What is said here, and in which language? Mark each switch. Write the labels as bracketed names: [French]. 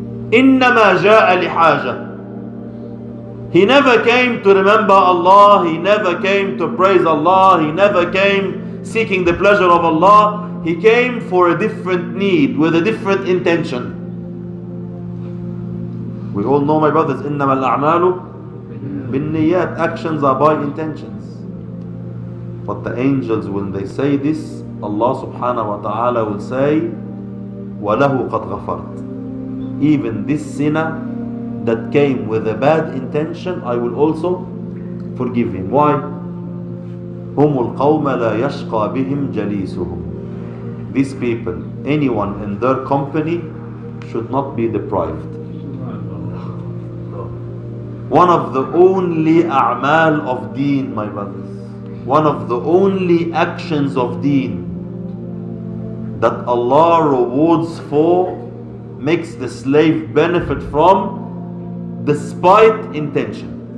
[Arabic] إنما جاء لحاجة. [English] He never came to remember Allah. He never came to praise Allah. He never came seeking the pleasure of Allah. He came for a different need with a different intention. We all know, my brothers, [Arabic] إنما الأعمال بالنيات. [English] Actions are by intentions. But the angels, when they say this, Allah subhanahu wa ta'ala will say, [Arabic] وله قد غفرت. [English] Even this sinner that came with a bad intention, I will also forgive him. Why? [Arabic] هم القوم لا يشقى بهم جليسهم. [English] These people, anyone in their company should not be deprived. One of the only a'mal of deen, my brothers, one of the only actions of deen that Allah rewards for, makes the slave benefit from, despite intention.